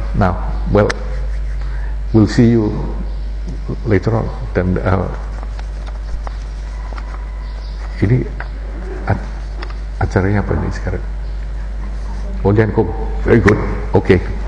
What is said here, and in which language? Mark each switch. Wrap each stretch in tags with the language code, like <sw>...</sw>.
<en>Now, well, we'll see you later on. Then,</en> <id>ini acaranya apa ini sekarang?</id> <en>Olian Kum, very good, okay.</en>